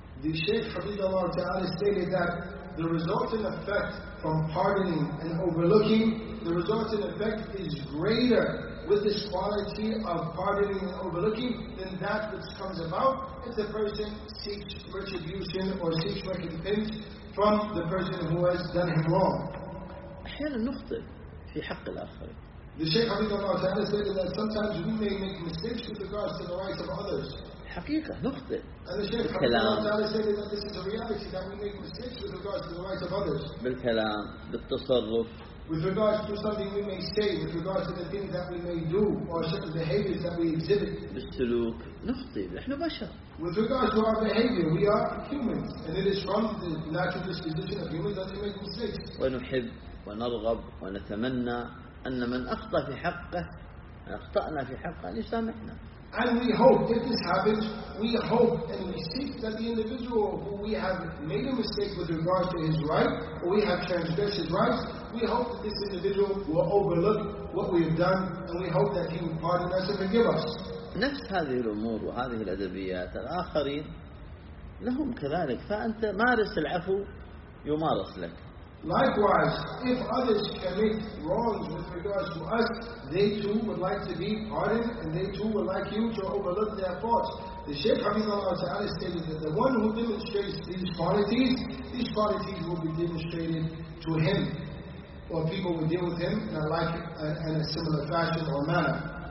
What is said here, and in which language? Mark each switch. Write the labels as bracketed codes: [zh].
[en] The Shaykh Hafizullah ta'ala stated that the resulting effect from pardoning and overlooking, the resulting effect is greater with this quality of pardoning and overlooking than that which comes about if the person seeks retribution or seeks recompense from the person who has done him wrong. [ar] أحيانا نخطئ في حق الآخرين. [en] The Shaykh Hafizullah ta'ala stated that sometimes we may make mistakes with regards to the rights of others. [ar] حقيقة, نخطئ. [en] And the Shaykh Hafizullah ta'ala stated that this is a reality that we make mistakes with regards to the rights of others. [ar] بالكلام, بالتصرف. [en] With regards to something we may say, with regards to the things that we may do, or certain behaviors that we exhibit. [ar] بالسلوك, نخطئ. نحن بشر. [en] With regards to our behavior, we are humans. And it is from the natural disposition of humans that we make mistakes. [ar] ونحب ونرغب ونتمنى أن من أخطأ في حقه أخطأنا في حقه ليسامحنا. [en] And we hope that this happens. We hope and we seek that the individual who we have made a mistake with regards to his right, or we have transgressed his rights, we hope that this individual will overlook what we have done, and we hope that he will pardon us and forgive us. [ar] نفس هذه الأمور وهذه الأدبيات الآخرين لهم كذلك فأنت مارس العفو يمارس لك. [en] Likewise, if others commit wrongs with regards to us, they too would like to be pardoned, and they too would like you to overlook their faults. The Shaykh Hafizullah ta'ala stated that the one who demonstrates these qualities will be demonstrated to him, or people will deal with him in a similar fashion or manner.